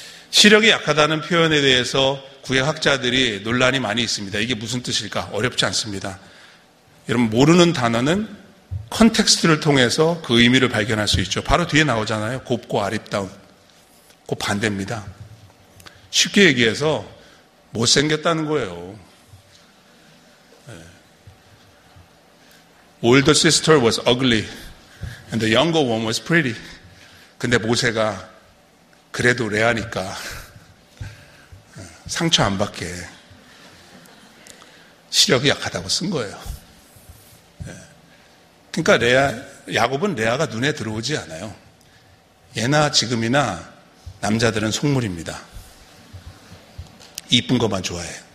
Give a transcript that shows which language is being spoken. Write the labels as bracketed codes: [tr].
[ko] 시력이 약하다는 표현에 대해서 구약학자들이 논란이 많이 있습니다. 이게 무슨 뜻일까? 어렵지 않습니다. 여러분, 모르는 단어는 컨텍스트를 통해서 그 의미를 발견할 수 있죠. 바로 뒤에 나오잖아요. 곱고 아름다운. 곧 반대입니다. 쉽게 얘기해서 못생겼다는 거예요. 네. [en] Older sister was ugly and the younger one was pretty. [ko] 근데 모세가 그래도 레아니까 상처 안 받게 시력이 약하다고 쓴 거예요. 그러니까 야곱은 레아가 눈에 들어오지 않아요. 예나 지금이나 남자들은 속물입니다. 이쁜 것만 좋아해.